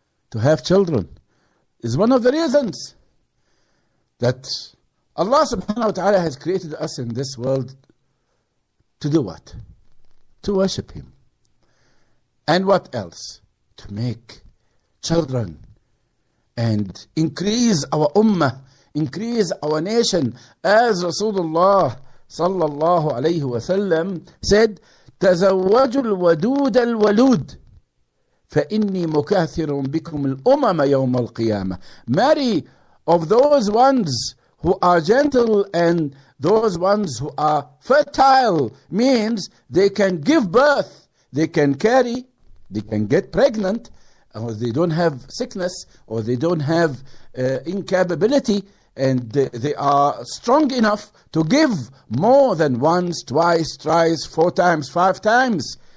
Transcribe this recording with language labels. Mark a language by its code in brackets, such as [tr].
[en] To have children is one of the reasons that Allah subhanahu wa ta'ala has created us in this world to do what? To worship him. And what else? To make children and increase our ummah, increase our nation. As Rasulullah sallallahu alayhi wa sallam said, [ar] تَزَوَّجُ الْوَدُودَ الْوَلُودِ فَإِنِّي مُكَاثِرٌ بِكُمْ الْأُمَمَ يَوْمَ الْقِيَامَةِ. [en] Marry of those ones who are gentle and those ones who are fertile, means they can give birth, they can carry, they can get pregnant, or they don't have sickness, or they don't have incapability, and they are strong enough to give more than once, twice, thrice, four times, five times.